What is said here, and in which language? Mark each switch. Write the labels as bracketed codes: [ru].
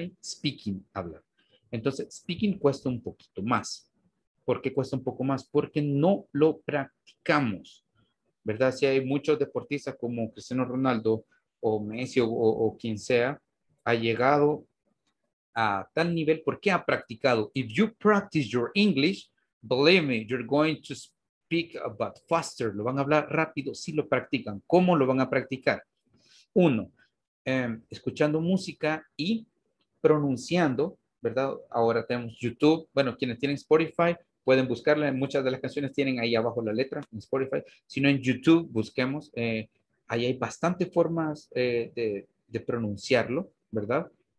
[es] Y speaking, hablar. Entonces, speaking cuesta un poquito más. ¿Por qué cuesta un poco más? Porque no lo practicamos. ¿Verdad? Si hay muchos deportistas como Cristiano Ronaldo o Messi o quien sea, ha llegado a tal nivel porque ha practicado. [en] If you practice your English, believe me, you're going to speak about faster. [es] Lo van a hablar rápido si lo practican. ¿Cómo lo van a practicar? Uno, escuchando música y pronunciando, ¿verdad? Ahora tenemos YouTube. Bueno, quienes tienen Spotify, pueden buscarla, muchas de las canciones tienen ahí abajo la letra, en Spotify. Si no, en YouTube, busquemos. Ahí hay bastantes formas de pronunciarlo, ¿verdad?